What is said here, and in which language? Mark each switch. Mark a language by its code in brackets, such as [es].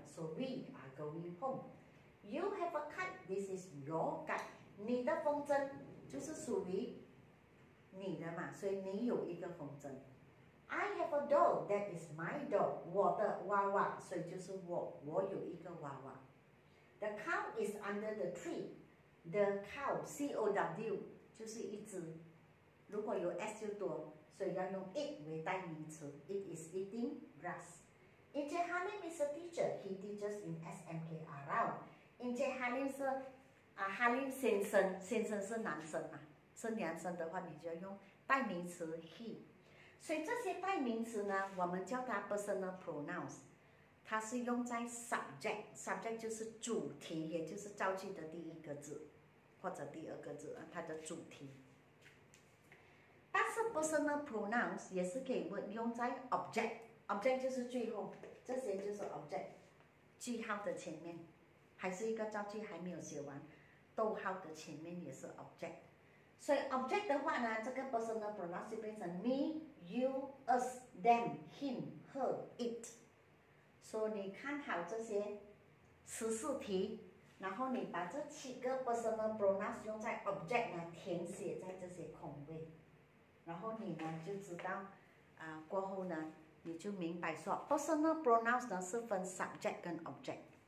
[en] So we are going home. You have a kite. This is your kite. [zh] 你的风筝就是属于你的嘛，所以你有一个风筝。 [en] I have a doll. That is my doll. [zh] 我的娃娃，所以就是我，我有一个娃娃。 [en] The cow is under the tree. [zh] The cow, C-O-W, 就是一只，如果有 S 就多，所以要用 it 为代名词。 [en] It is eating grass. Encik Halim is a teacher. He teaches in SMKRL. [zh] Encik Halim 是Halim 先生，先生是男生嘛，是男生的话，你就用代名词 he。所以这些代名词呢，我们叫它 personal pronouns。它是用在 subject， subject 就是主题，也就是造句的第一个字或者第二个字，它的主题。但是 personal pronouns 也是可以用在 object， object 就是最后，这些就是 object， 句号的前面，还是一个造句还没有写完，逗号的前面也是 object。所以 object 的话呢，这个 personal pronouns 就变成 me, you, us, them, him, her, it。所以你看好这些词四题，然后你把这七个 personal pronouns 用在 object 呢，填写在这些空位，然后你呢就知道，过后呢你就明白说 personal pronouns 呢是分 subject 跟 object。